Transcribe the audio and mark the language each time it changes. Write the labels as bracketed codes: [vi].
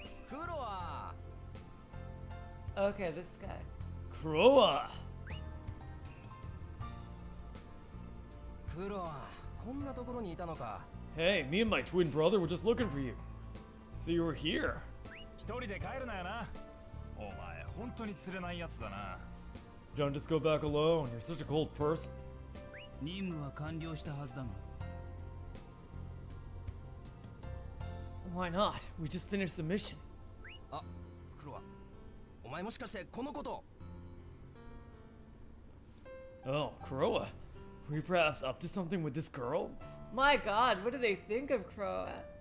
[ja] Kuroa! [en] Okay, this guy. [ja] Kuroa! Kuroa, こんなところにいたのか。 [en] Hey, me and my twin brother were just looking for you. So you were here. [ja] 一人で帰るなよな。お前、本当に釣れないやつだな。 [en] Don't just go back alone. You're such a cold person. [ja] 任務は完了したはずだが。 [en] Why not? We just finished the mission. [ja] あ、クロア。お前もしかしてこのこと。 [en] Oh, Kuroa. Are we perhaps up to something with this girl? My god, what do they think of Croa?